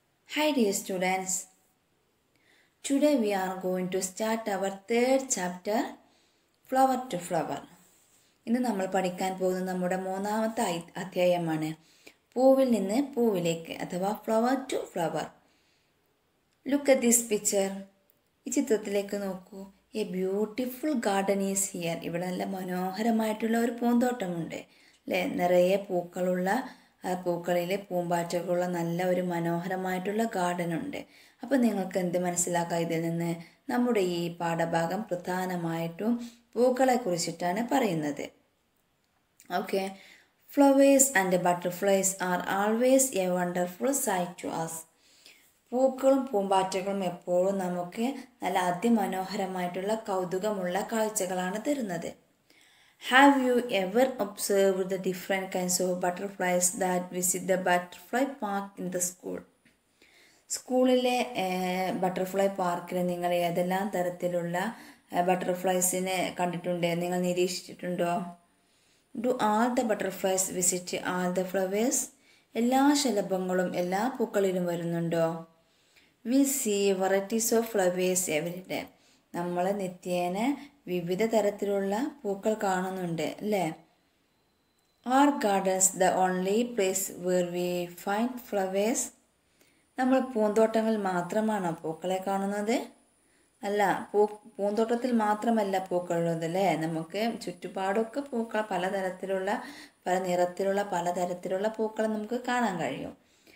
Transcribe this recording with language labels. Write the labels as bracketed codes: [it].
[en] Hi dear students, today we are going to start our third chapter, Flower to Flower. [ml] ഇന്ന് നമ്മൾ പഠിക്കാൻ പോകുന്ന നമ്മുടെ മൂന്നാമത്തെ അധ്യായമാണ് പൂവിൽ നിന്ന് പൂവിലേക്ക് അഥവാ flower to flower. [en] look at this picture, [ml] ഈ ചിത്രത്തിലേക്ക് നോക്കൂ. [en] a beautiful garden is here, [ml] ഇവിടെ നല്ല മനോഹരമായിട്ടുള്ള ഒരു പൂന്തോട്ടമുണ്ട് അല്ലേ. നിറയെ പൂക്കളുള്ള പൂക്കളിലെ പൂമ്പാറ്റകളുള്ള നല്ല ഒരു മനോഹരമായിട്ടുള്ള ഗാർഡനുണ്ട്. അപ്പോൾ നിങ്ങൾക്ക് എന്ത് മനസ്സിലാക്കാം ഇതിൽ നിന്ന്? നമ്മുടെ ഈ പാഠഭാഗം പ്രധാനമായിട്ടും പൂക്കളെക്കുറിച്ചിട്ടാണ് പറയുന്നത്. [en] Okay, flowers and butterflies are always a wonderful sight to us. [ml] പൂക്കളും പൂമ്പാറ്റകളും എപ്പോഴും നമുക്ക് നല്ല അതിമനോഹരമായിട്ടുള്ള കൗതുകമുള്ള കാഴ്ചകളാണ് തരുന്നത്. [en] Have you ever observed the different kinds of butterflies that visit the butterfly park in the school? [ml] സ്കൂളിലെ ബട്ടർഫ്ലൈ പാർക്കിൽ നിങ്ങൾ ഏതെല്ലാം തരത്തിലുള്ള ബട്ടർഫ്ലൈസിനെ കണ്ടിട്ടുണ്ട്, നിങ്ങൾ നിരീക്ഷിച്ചിട്ടുണ്ടോ? [en] Do all the butterflies visit all the flowers? [ml] എല്ലാ ശലഭങ്ങളും എല്ലാ പൂക്കളിലും വരുന്നുണ്ടോ? [en] We see varieties of flowers every day. [ml] നമ്മൾ നിത്യേന വിവിധ തരത്തിലുള്ള പൂക്കൾ കാണുന്നുണ്ട് അല്ലേ. [en] Are gardens the only place where we find flowers? [ml] നമ്മൾ പൂന്തോട്ടങ്ങളിൽ മാത്രമാണോ പൂക്കളെ കാണുന്നത്? അല്ല, പൂന്തോട്ടത്തിൽ മാത്രമല്ല പൂക്കളുള്ളത് അല്ലേ, നമുക്ക് ചുറ്റുപാടൊക്കെ പൂക്കൾ പലതരത്തിലുള്ള പല നിറത്തിലുള്ള പലതരത്തിലുള്ള പൂക്കൾ നമുക്ക് കാണാൻ കഴിയും.